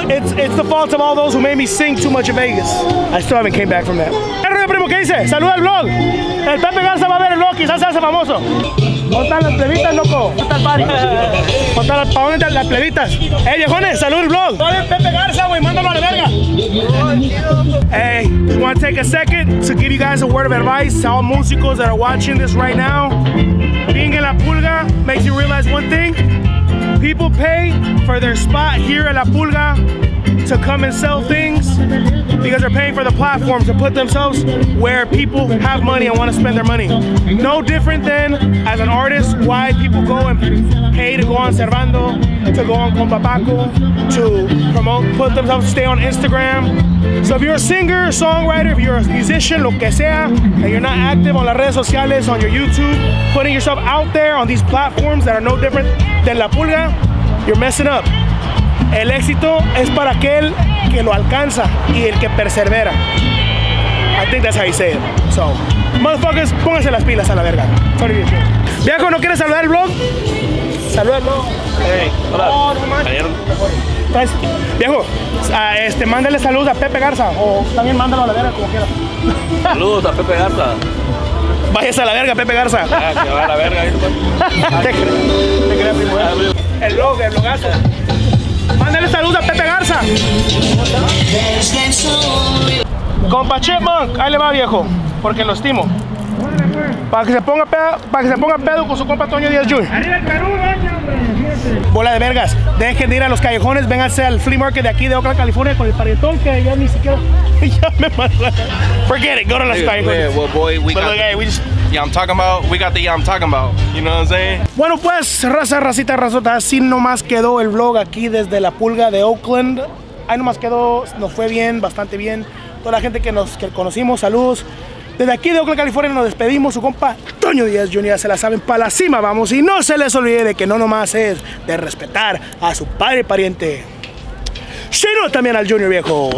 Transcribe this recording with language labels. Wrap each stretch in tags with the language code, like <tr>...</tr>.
<en>it's the fault of all those who made me sing too much in Vegas. I still haven't came back from that.</en> <es>¿Qué rollo, primo? ¿Qué dice? Saluda al vlog. El Pepe Garza va a ver el vlog, quizás se hace famoso. ¿Cómo están las plebitas, loco? ¿Cómo está el party? ¿Cómo están las plebitas? ¡Eh, viejones! ¡Salud el vlog! ¡Sale Pepe Garza, güey! ¡Mándalo a la verga!</es> <en>Hey, just want to take a second to give you guys a word of advice to all músicos that are watching this right now. Being en La Pulga makes you realize one thing. People pay for their spot here at La Pulga to come and sell things because they're paying for the platform to put themselves where people have money and want to spend their money. No different than, as an artist, why people go and pay to go on Cervando, to go on Compa Paco, to promote, put themselves, stay on Instagram. So if you're a singer, a songwriter, if you're a musician,</en> <es>lo que sea,</es> <en>and you're not active on</en> <es>las redes sociales,</es> <en>on your YouTube, putting yourself out there on these platforms that are no different than La Pulga, you're messing up.</en> <es>El éxito es para aquel que lo alcanza y el que persevera.</es> <en>I think that's how you say it. So, motherfuckers,</en> <es>pónganse las pilas a la verga.</es> <en>Sorry.</en> <es>Viejo, ¿no quieres saludar el vlog? Saluda el vlog. Hey, hola. Oh, no mames. Viejo, mándale saludos a Pepe Garza. O también mándalo a la verga, como quieras. Saludos a Pepe Garza. Vayas a la verga, Pepe Garza. Ya, que va a la verga. Te crees, primo. El vlogazo. Mándale saludos a Pepe Garza. Compa Chipmunk, ahí le va, viejo, porque lo estimo. Para que se ponga pedo con su compa Toño Díaz Jr. Bola de vergas, dejen de ir a los callejones, vénganse al flea market de aquí de Oakland, California, con el parientón que ya ni siquiera ya me mandó.</es> <en>Forget it, go to</en> <es>los callejones.</es> <en>Yeah, well, boy, we got the I'm talking about, you know what I'm saying?</en> <es>Bueno, pues, raza, racita, razota, así nomás quedó el vlog aquí desde La Pulga de Oakland. Ahí nomás quedó, nos fue bien, bastante bien. Toda la gente que conocimos, saludos. Desde aquí de Oakland, California, nos despedimos, su compa Toño Díaz Jr. Se la saben, pa' la cima vamos. Y no se les olvide de que no nomás es de respetar a su padre y pariente, sino también al Junior, viejo.</es>